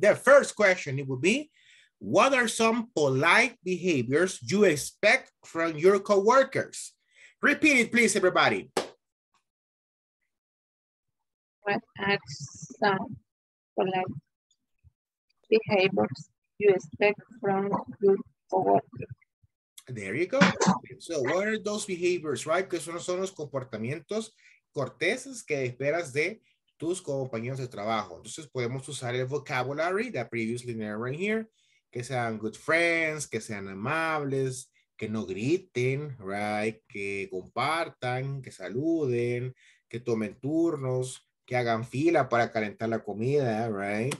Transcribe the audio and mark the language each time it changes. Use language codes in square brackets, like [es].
[en] The first question, it will be, what are some polite behaviors you expect from your coworkers? Repeat it, please, everybody. What are some polite behaviors you expect from your coworkers? There you go. So what are those behaviors, right? [es] Que son los comportamientos corteses que esperas de tus compañeros de trabajo. Entonces podemos usar el [en] vocabulary that previously narrated here. [es] Que sean [en] good friends, [es] que sean amables, que no griten, right? Que compartan, que saluden, que tomen turnos, que hagan fila para calentar la comida, right?